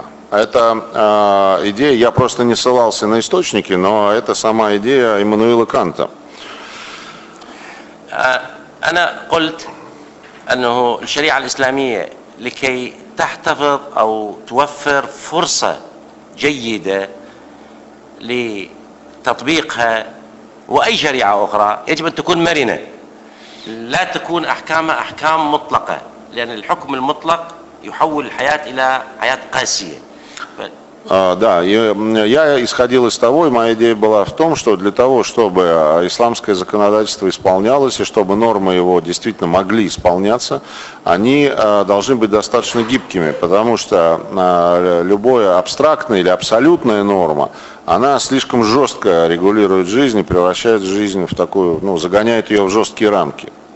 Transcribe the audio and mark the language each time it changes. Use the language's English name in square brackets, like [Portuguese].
[Russian] Это идея, я просто не ссылался на источники, но это сама идея Иммануила Канта. [Arabic] أنا قلت أنه الشريعة الإسلامية لكي تحتفظ أو توفر فرصة جيدة لتطبيقها وأي شريعة أخرى يجب أن تكون مرنة، لا تكون أحكامها أحكام مطلقة، لأن الحكم المطلق يحول الحياة إلى حياة قاسية. [Russian] Да, я исходил из того, и моя идея была в том, что для того, чтобы исламское законодательство исполнялось, и чтобы нормы его действительно могли исполняться, они должны быть достаточно гибкими, потому что любая абстрактная или абсолютная норма, она слишком жестко регулирует жизнь и превращает жизнь в такую, ну, загоняет ее в жесткие рамки.